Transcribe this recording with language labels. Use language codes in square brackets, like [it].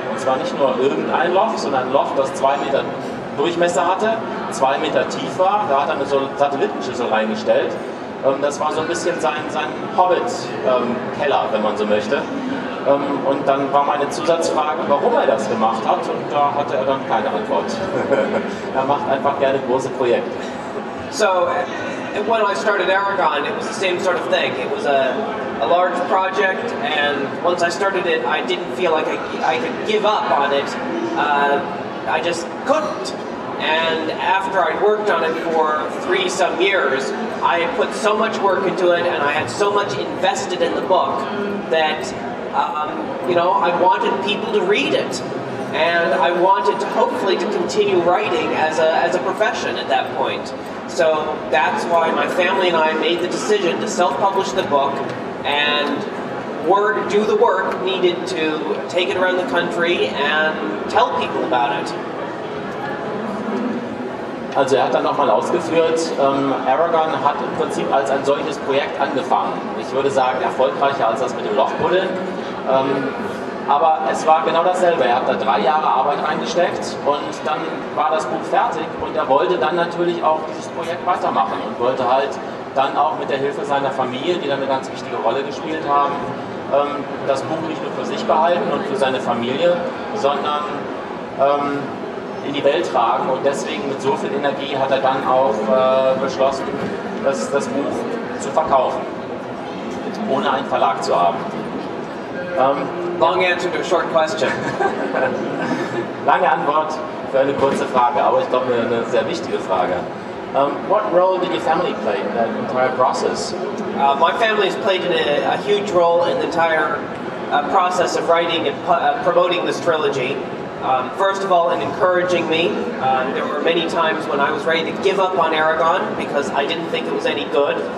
[de] Und zwar nicht nur irgendein Loch, sondern ein Loch, das 2 Meter Durchmesser hatte, 2 Meter tief war. Da hat er eine Satellitenschüssel reingestellt. Das war so ein bisschen sein Hobbit-Keller, wenn man so möchte. Und dann war meine Zusatzfrage, warum er das gemacht hat, und da hatte er dann keine Antwort. Er macht einfach gerne große Projekte. [en] So, when I started Aragorn, it was the same sort of thing. It was a large project, and once I started it, I didn't feel like I could give up on it. I just couldn't. And after I'd worked on it for 3 some years, I had put so much work into it, and I had so much invested in the book that I wanted people to read it, and I wanted hopefully to continue writing as a profession at that point. So that's why my family and I made the decision to self-publish the book and do the work needed to take it around the country and tell people about it. [de] Also er hat dann nochmal ausgeführt, Aragorn hat im Prinzip als ein solches Projekt angefangen. Ich würde sagen, erfolgreicher als das mit dem Lochbuddeln. Aber es war genau dasselbe. Er hat da 3 Jahre Arbeit reingesteckt und dann war das Buch fertig. Und er wollte dann natürlich auch dieses Projekt weitermachen und wollte halt dann auch mit der Hilfe seiner Familie, die dann eine ganz wichtige Rolle gespielt haben, das Buch nicht nur für sich behalten und für seine Familie, sondern in die Welt tragen. Und deswegen mit so viel Energie hat er dann auch beschlossen, das Buch zu verkaufen, ohne einen Verlag zu haben. [en] Long answer to a short question. [de] Lange Antwort für eine kurze Frage, aber ich glaube eine sehr wichtige Frage. [en] What role did your family play in that entire process? My family has played a huge role in the entire process of writing and promoting this trilogy. First of all, in encouraging me, there were many times when I was ready to give up on Aragorn because I didn't think it was any good.